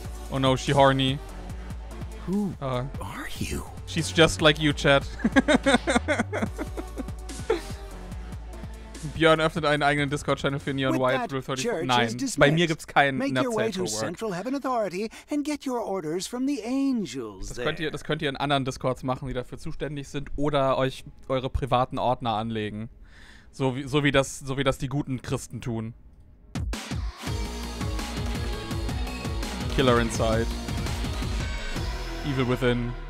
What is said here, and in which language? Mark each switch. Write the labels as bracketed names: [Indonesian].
[English] Oh no, she horny. Who are you? She's just like you, Chad. [German] Björn öffnet einen eigenen Discord-Channel für Neon White, Rule 34. Nein, bei mir gibt's keinen Nutzel [English] for work. Make your way to Central Heaven Authority and get your orders from the angels there. [German] Das könnt ihr in anderen Discords machen, die dafür zuständig sind, oder euch eure privaten Ordner anlegen. So wie das die guten Christen tun. [English] Killer inside. Evil within.